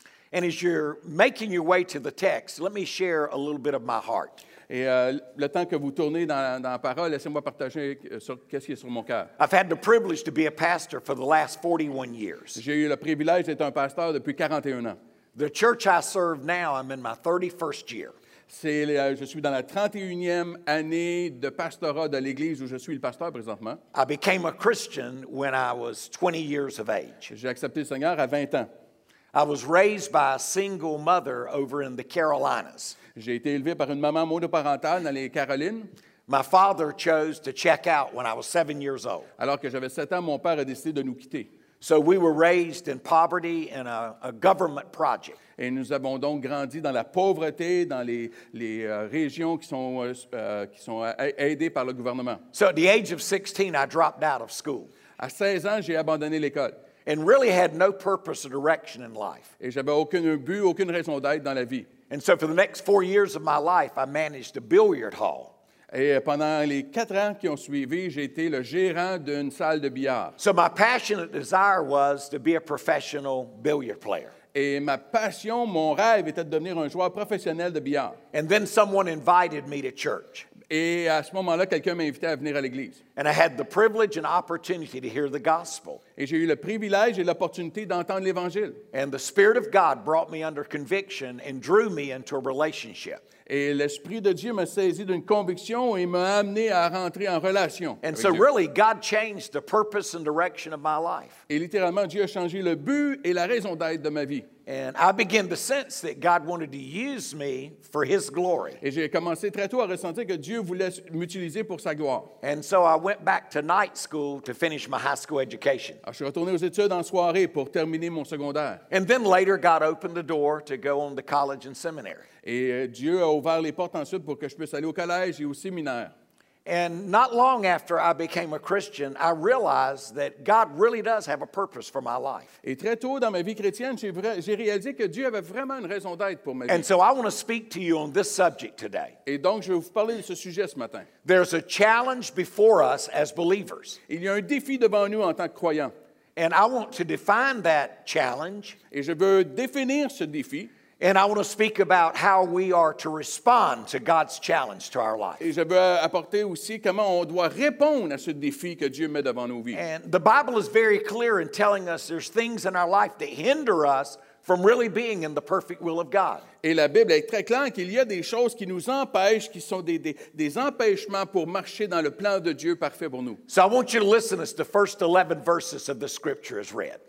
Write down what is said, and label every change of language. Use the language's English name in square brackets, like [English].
[English] And as you're making your way to the text, let me share a little bit of my heart. [French] Et le temps que vous tournez dans la parole, laissez-moi partager qu'est-ce qui est sur mon cœur. [English] I've had the privilege to be a pastor for the last 41 years. [French] J'ai eu le privilège d'être un pasteur depuis 41 ans. [English] The church I serve now, I'm in my 31st year. [French] Je suis dans la 31e année de pastorat de l'église où je suis le pasteur présentement. [English] I became a Christian when I was 20 years of age. [French] J'ai accepté le Seigneur à 20 ans. [English] I was raised by a single mother over in the Carolinas. [French] J'ai été élevé par une maman monoparentale dans les Carolines. [English] My father chose to check out when I was 7 years old. [French] Alors que j'avais 7 ans, mon père a décidé de nous quitter. [English] So we were raised in poverty in a government project. [French] Et nous avons donc grandi dans la pauvreté, dans les régions qui sont aidées par le gouvernement. [English] So at the age of 16, I dropped out of school. [French] À 16 ans, j'ai abandonné l'école. [English] And really had no purpose or direction in life. [French] Et j'avais aucun but, aucune raison d'être dans la vie. [English] And so for the next 4 years of my life, I managed a billiard hall. [French] Et pendant les 4 ans qui ont suivi, j'ai été le gérant d'une salle de billard. [English] So my passionate desire was to be a professional billiard player. [French] Et ma passion, mon rêve était de devenir un joueur professionnel de billard. [English] And then someone invited me to church. [French] Et à ce moment-là, quelqu'un m'a invité à venir à l'église. [English] And I had the privilege and opportunity to hear the gospel. [French] Et j'ai eu le privilège et l'opportunité d'entendre l'évangile. [English] And the Spirit of God brought me under conviction and drew me into a relationship. [French] Et l'Esprit de Dieu m'a saisi d'une conviction et m'a amené à rentrer en relation. [English] And so really, God changed the purpose and direction of my life. [French] Et littéralement, Dieu a changé le but et la raison d'être de ma vie. [English] And I began to sense that God wanted to use me for His glory. [French] Et j'ai commencé très tôt à ressentir que Dieu voulait m'utiliser pour sa gloire. [English] And so I went back to night school to finish my high school education. [French] Alors, je suis retourné aux études en soirée pour terminer mon secondaire. [English] And then later, God opened the door to go on to college and seminary. [French] Et Dieu a ouvert les portes ensuite pour que je puisse aller au collège et au séminaire. [English] And not long after I became a Christian, I realized that God really does have a purpose for my life. [French] Et très tôt dans ma vie chrétienne, j'ai réalisé que Dieu avait vraiment une raison d'être pour ma vie. [English] And so I want to speak to you on this subject today. [French] Et donc je vais vous parler de ce sujet ce matin. [English] There's a challenge before us as believers. [French] Il y a un défi devant nous en tant que croyants. [English] And I want to define that challenge. [French] Et je veux définir ce défi. [English] And I want to speak about how we are to respond to God's challenge to our life. [French] Et je veux apporter aussi comment on doit répondre à ce défi que Dieu met devant nos vies. [English] And the Bible is very clear in telling us there's things in our life that hinder us from really being in the perfect will of God. [French] Et la Bible est très claire qu'il y a des choses qui nous empêchent, qui sont des empêchements pour marcher dans le plan de Dieu parfait pour nous. [English] So I want you to listen as the first 11 verses of the scripture is read.